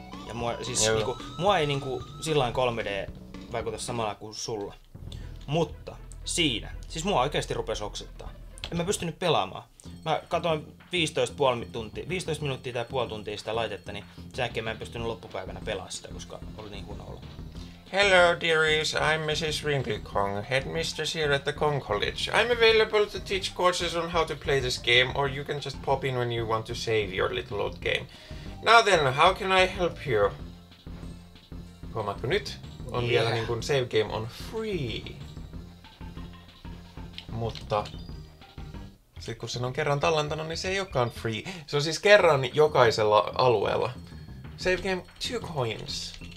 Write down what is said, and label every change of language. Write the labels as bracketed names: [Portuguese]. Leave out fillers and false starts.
[Finnish] Ja mua ei niinku sillain 3D vaikuta samalla kuin sulla. Mutta siinä, siis mua oikeesti rupes oksettaa. En mä pystynyt pelaamaan. Mä katoin 15 minuuttia tai puoli tuntia sitä laitetta, niin sen jälkeen mä en pystynyt loppupäivänä pelaamaan sitä, koska oli niin huono olo. [English] Hello dearies, I'm Mrs. Wrinkly Kong, headmistress here at the Kong College. I'm available to teach courses on how to play this game, or you can just pop in when you want to save your little old game. Now then, how can I help you? [Finnish] Huomaatko nyt? On vielä niin kuin save game on free. Mutta sitten kun sen on kerran tallentanut, niin se ei olekaan free. Se on siis kerran jokaisella alueella. Save game 2 coins.